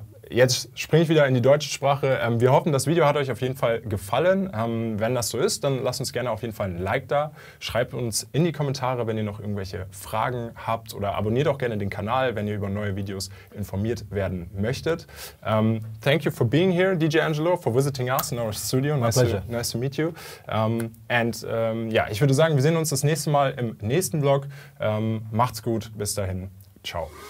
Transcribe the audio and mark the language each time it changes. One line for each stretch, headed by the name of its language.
German: Jetzt springe ich wieder in die deutsche Sprache. Wir hoffen, das Video hat euch auf jeden Fall gefallen. Wenn das so ist, dann lasst uns gerne auf jeden Fall ein Like da. Schreibt uns in die Kommentare, wenn ihr noch irgendwelche Fragen habt. Oder abonniert auch gerne den Kanal, wenn ihr über neue Videos informiert werden möchtet.
English: Thank you for being here, DJ Angelo, for visiting us in our studio. My pleasure. Nice to meet you.
German: Ich würde sagen, wir sehen uns das nächste Mal im nächsten Vlog. Macht's gut, bis dahin. Ciao.